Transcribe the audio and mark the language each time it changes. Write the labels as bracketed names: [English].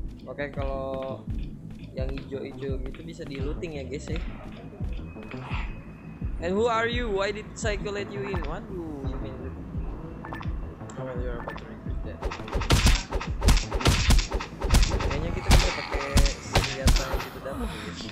[Indonesian] Oke, kalau yang hijau-hijau itu bisa di looting ya guys ya. [English] And who are you? Why did Psycho let you in? What do you mean? Oh, you're about to recruit that. [Indonesian] Kayaknya kita bisa pakai senjata yang kita dapat ya.